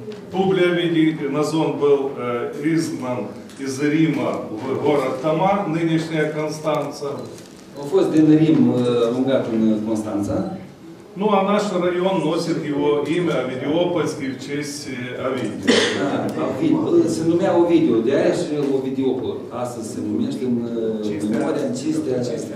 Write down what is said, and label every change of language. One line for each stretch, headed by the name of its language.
Russian: Publia Vidii Nazon был изгнан из Рима в город Тамар, нынешняя Констанца.
Romanian: A fost din Rim aruncat în Constanța.
Russian: Ну, а наш район носит его имя Овидиопольский в честь Овидия.
Romanian: Se numea Ovidiu, de aia și Ovidiopol. Astăzi se numește în memoria cinstea.